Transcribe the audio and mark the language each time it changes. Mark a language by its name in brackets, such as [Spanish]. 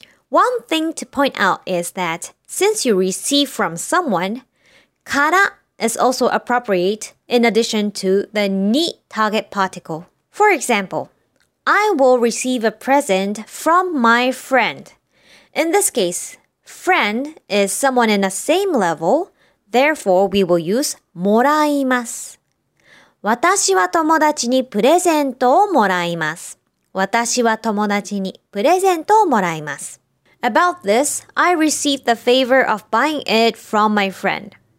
[English] One thing to point out is that since you receive from someone,から is also appropriate in addition to the に target particle. For example, I will receive a present from my friend. In this case, friend is someone in the same level, therefore we will use もらいます。 [Japanese] 私は友達にプレゼントをもらいます。私は友達にプレゼントをもらいます。 [English] About this, I received the favor of buying it from my friend.